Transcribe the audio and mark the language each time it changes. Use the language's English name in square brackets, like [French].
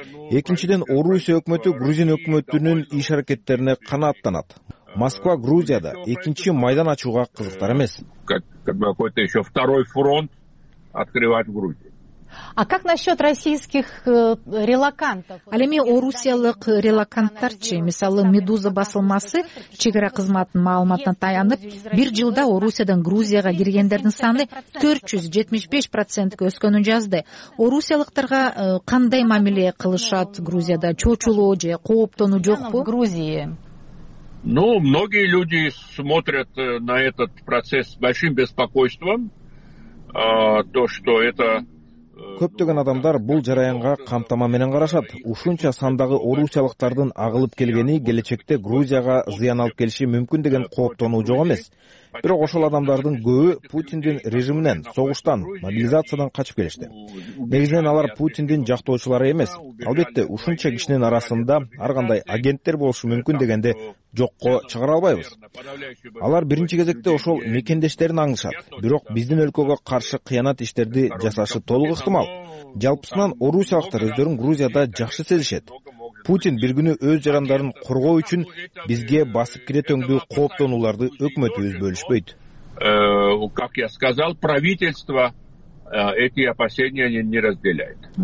[Kyrgyz] Экинчиден Орусия өкмөтү грузин өкмөтүнүн иш аракеттерине канааттанат. Москва Грузияда экинчи майдан ачууга кызыктар эмес. [Russian] Какой-то еще второй фронт открывать в Грузии. А как насчет российских релакантов? [Kyrgyz] Ал эми орусиялык релаканттарчы, мисалы Медуза басылмасы чек ара кызматынын маалыматына таянып, бир жылда Орусиядан Грузияга киргендердин саны 475% өскөнүн жазды. Орусиялыктарга кандай мамиле кылышат Грузияда? Чочулоо же кооптонуу жокпу? [Russian] Многие люди смотрят на этот процесс с большим беспокойством, то что это [Kyrgyz] көптөгөн адамдар бул жараянга камтама менен карашат. Ушунча сандагы орусиялыктардын агылып келгени келечекте Грузияга зыян алып келиши мүмкүн деген кооптонуу жок эмес. Бирок ошол адамдардын көбү Путиндин режиминен, согуштан, мобилизациядан качып келишти. Негизинен алар Путиндин жактоочулары эмес. Албетте, ушунча кишинин арасында ар кандай агенттер болушу мүмкүн дегенде жокко чыгара албайбыз. Алар биринчи кезекте ошол мекендештерин аңдышат. Бирок биздин өлкөгө каршы кыянат иштерди жасашы толук ыктымал. Жалпысынан орусиялыктар өздөрүн Грузияда жакшы сезишет. Путин бир күнү өз жарандарын коргоо үчүн бизге басып киретөңдү кооптонууларды өкмөтүбүз бөлүшпөйт. [Russian] Как я сказал, правительство эти опасения не разделяет.